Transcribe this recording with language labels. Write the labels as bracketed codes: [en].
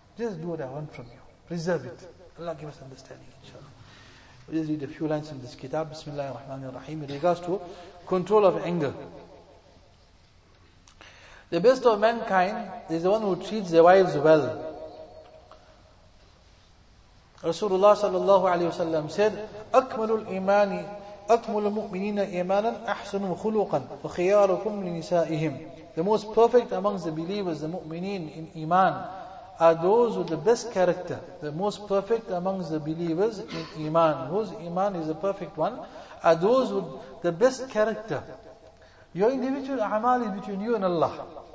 [en] Just do what I want from you. Preserve it. Allah give us understanding, inshallah. We'll just read a few lines in this kitab. Bismillah ar-Rahman ar-Rahim. In regards to control of anger. The best of mankind is the one who treats their wives well. [ar] Rasulullah sallallahu alayhi wa sallam [en] said, [ar] أَكْمَلُ الْإِيمَانِ أَكْمَلُ الْمُؤْمِنِينَ إِيمَانًا أَحْسَنُ خُلُقًا وَخِيَارُكُمْ لِنِسَائِهِمْ. [en] The most perfect amongst the believers, the mu'mineen in iman, are those with the best character. The most perfect amongst the believers in iman, whose iman is a perfect one, are those with the best character. Your individual amal is between you and Allah.